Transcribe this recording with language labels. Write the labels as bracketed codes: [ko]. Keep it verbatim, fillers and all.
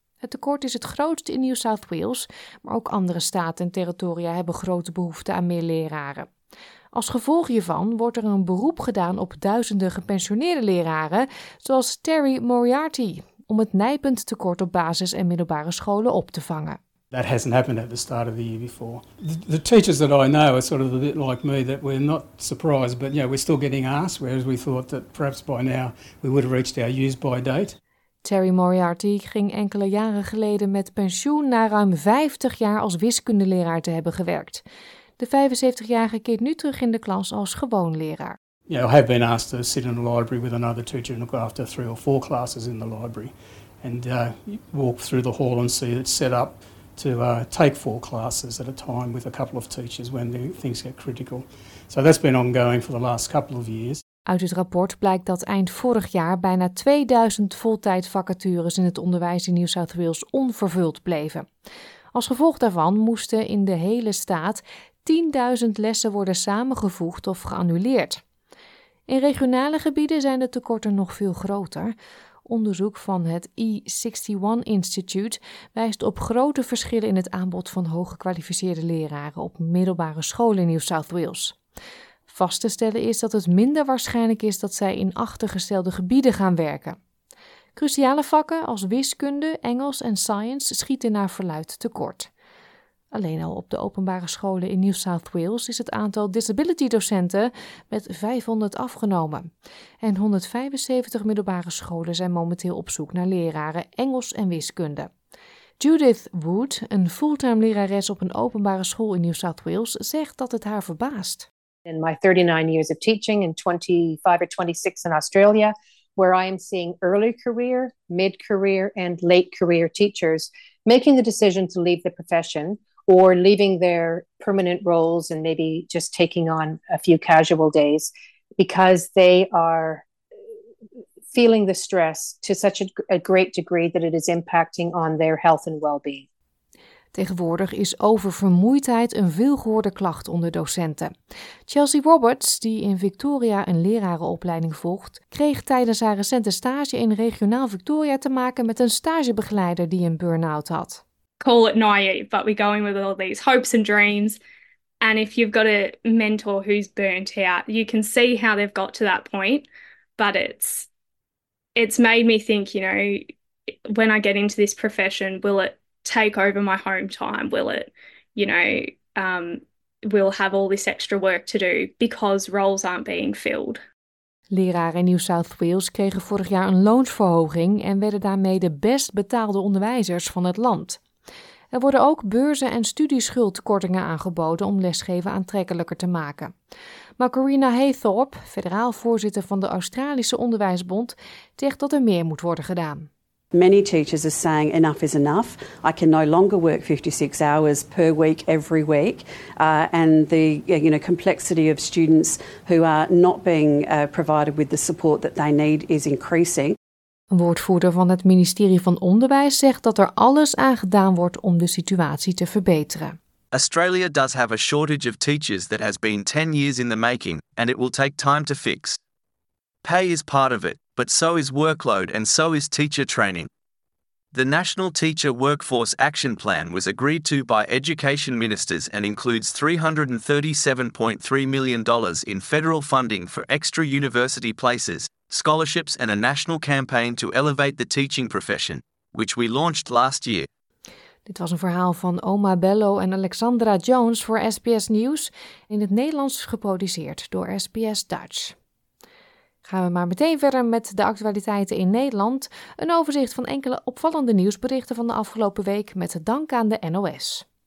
[nl] Het tekort is het grootst in New South Wales, maar ook andere staten en territoria hebben grote behoefte aan meer leraren. Als gevolg hiervan wordt er een beroep gedaan op duizenden gepensioneerde leraren, zoals Terry Moriarty, om het nijpend tekort op basis- en middelbare scholen op te vangen. [en] That hasn't happened at the start of the year before. The teachers that I know are sort of a bit like me, that we're not surprised, but you know, we're still getting asked, whereas we thought that perhaps by now we would have reached our use-by date. [nl] Terry Moriarty ging enkele jaren geleden met pensioen na ruim vijftig jaar als wiskundeleraar te hebben gewerkt. De vijfenzeventigjarige keert nu terug in de klas als gewoon leraar. [en] You know, I have been asked to sit in the library with another teacher and look after three or four classes in the library, and uh, walk through the hall and see it's set up to uh, take four classes at a time with a couple of teachers when the things get critical. So that's been ongoing for the last couple of years. [nl] Uit het rapport blijkt dat eind vorig jaar bijna tweeduizend voltijdvacatures in het onderwijs in New South Wales onvervuld bleven. Als gevolg daarvan moesten in de hele staat tienduizend lessen worden samengevoegd of geannuleerd. In regionale gebieden zijn de tekorten nog veel groter. Onderzoek van het E eenenzestig Institute wijst op grote verschillen in het aanbod van hooggekwalificeerde leraren op middelbare scholen in New South Wales. Vast te stellen is dat het minder waarschijnlijk is dat zij in achtergestelde gebieden gaan werken. Cruciale vakken als wiskunde, Engels en science schieten naar verluid tekort. Alleen al op de openbare scholen in New South Wales is het aantal disability-docenten met vijfhonderd afgenomen. En honderdvijfenzeventig middelbare scholen zijn momenteel op zoek naar leraren Engels en wiskunde. Judith Wood, een fulltime lerares op een openbare school in New South Wales, zegt dat het haar verbaast. [en] In my thirty-nine years of teaching in twenty-five or twenty-six in Australia, where I am seeing early career, mid-career and late career teachers making the decision to leave the profession, or leaving their permanent roles and maybe just taking on a few casual days because they are feeling the stress to such a, a great degree that it is impacting on their health and well-being. [nl] Tegenwoordig is oververmoeidheid een veelgehoorde klacht onder docenten. Chelsea Roberts, die in Victoria een lerarenopleiding volgt, kreeg tijdens haar recente stage in regionaal Victoria te maken met een stagebegeleider die een burn-out had. [en] Call it naive, but we go in with all these hopes and dreams. And if you've got a mentor who's burnt out, you can see how they've got to that point, but it's it's made me think, you know, when I get into this profession, will it take over my home time? Will it, you know, um, will have all this extra work to do because roles aren't being filled? [nl] Leraren in New South Wales kregen vorig jaar een loonsverhoging en werden daarmee de best betaalde onderwijzers van het land. Er worden ook beurzen en studieschuldkortingen aangeboden om lesgeven aantrekkelijker te maken. Maar Corina Haythorpe, federaal voorzitter van de Australische Onderwijsbond, zegt dat er meer moet worden gedaan. [en] Many teachers are saying enough is enough. I can no longer work fifty-six hours per week every week, uh, and the you know complexity of students who are not being uh, provided with the support that they need is increasing. [nl] Een woordvoerder van het ministerie van Onderwijs zegt dat er alles aan gedaan wordt om de situatie te verbeteren. [en] Australia does have a shortage of teachers that has been ten years in the making, and it will take time to fix. Pay is part of it, but so is workload and so is teacher training. The National Teacher Workforce Action Plan was agreed to by education ministers and includes three hundred thirty-seven point three million dollars in federal funding for extra university places, scholarships and a national campaign to elevate the teaching profession, which we launched last year. [nl] Dit was een verhaal van Oma Bello en Alexandra Jones voor S B S Nieuws, in het Nederlands geproduceerd door S B S Dutch. Gaan we maar meteen verder met de actualiteiten in Nederland. Een overzicht van enkele opvallende nieuwsberichten van de afgelopen week met dank aan de N O S.